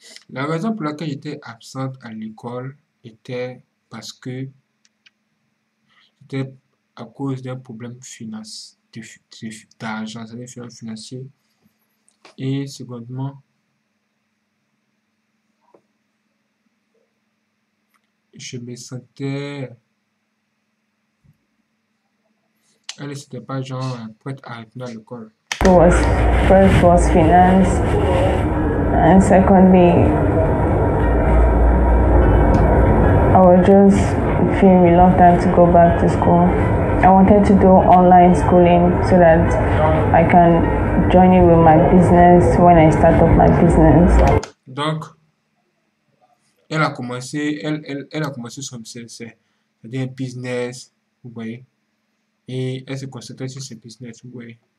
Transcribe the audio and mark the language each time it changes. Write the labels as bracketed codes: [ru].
[fr] La raison pour laquelle j'étais absente à l'école était parce que c'était à cause d'un problème financier, d'argent, c'est-à-dire financier. Et secondement, je me sentais. Elle ne s'était pas genre prête à retenir l'école. [en] First was finance, and secondly, I would just feel reluctant to go back to school. I wanted to do online schooling so that I can join in with my business when I start up my business. [fr] Donc, elle a commencé, elle a commencé son business, c'est-à-dire un business, vous voyez. Et elle se concentrait sur ce business, vous voyez.